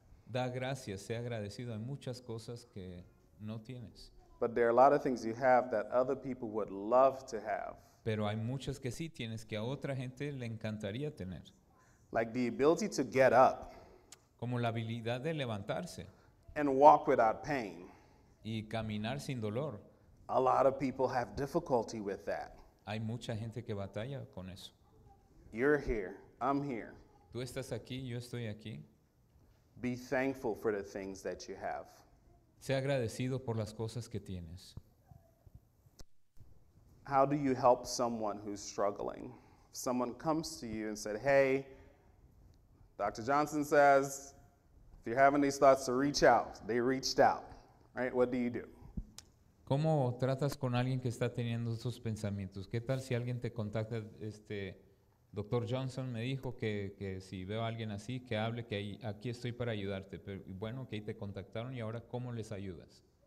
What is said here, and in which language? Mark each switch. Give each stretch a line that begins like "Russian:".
Spanish: Da gracias, sé agradecido en muchas cosas que no tienes.
English: But there are a lot of things you have that other people would love to have.
Spanish: Pero hay muchas que sí tienes que a otra gente le encantaría tener.
English: Like the ability to get up.
Spanish: Como la habilidad de levantarse.
English: And walk without pain.
Spanish: Y caminar sin dolor.
English: A lot of people have difficulty with that.
Spanish: Hay mucha gente que batalla con eso.
English: You're here, I'm here.
Spanish: Tú estás aquí, yo estoy aquí.
English: Be thankful for the things that you have.
Spanish: Sea agradecido por las cosas que tienes.
English: How do you help someone who's struggling? If someone comes to you and said, hey, Dr. Johnson says, if you're having these thoughts, to reach out. They reached out, right? What do you do?
Spanish: ¿Cómo tratas con alguien que está teniendo esos pensamientos? ¿Qué tal si alguien te contacta, Dr. Johnson me dijo que si veo a alguien así, que hable, que aquí estoy para ayudarte. Pero bueno, que ahí te contactaron y ahora, ¿cómo les ayudas?